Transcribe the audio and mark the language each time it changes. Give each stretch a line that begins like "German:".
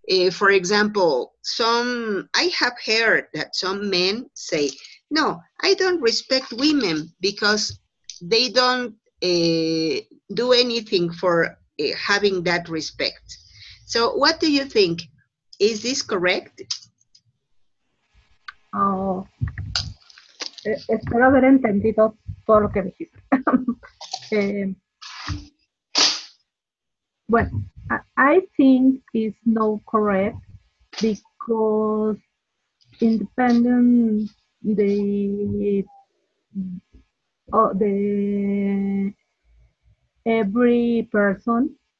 English: For example, I have heard that some men say, no, I don't respect women because they don't do anything for having that respect. So what do you think? Is this correct?
Spanish: Oh, espero haber entendido todo lo que dijiste.
English: Well, I think it's not correct because independent the every person